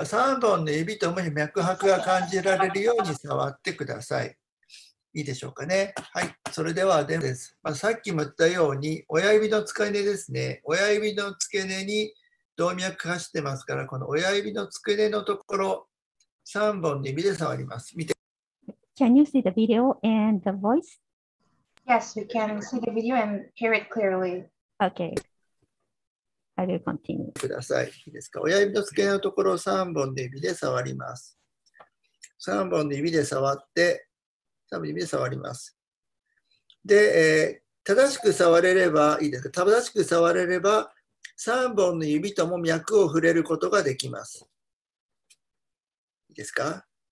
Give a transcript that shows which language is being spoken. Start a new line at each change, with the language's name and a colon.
Japanese: 3本の指と共に脈拍が感じられるように触ってください。いいでしょうかね。はい。それではデモです。まあ、さっきも言ったように、親指の付け根ですね。親指の付け根に動脈走ってますから、この親指の付け根のところ、3本の指で触ります。見て。
English: Can you see the video and the voice? Yes, we can see the video and hear it clearly. Okay. I will continue.
Japanese: ください。いいですか。親指の付け根のところを3本で指で触ります。 3本で指で触って、3本で指で触ります。で、正しく触れればいいですか。正しく触れれば、3本の指とも脈を触れることができます。いいですか。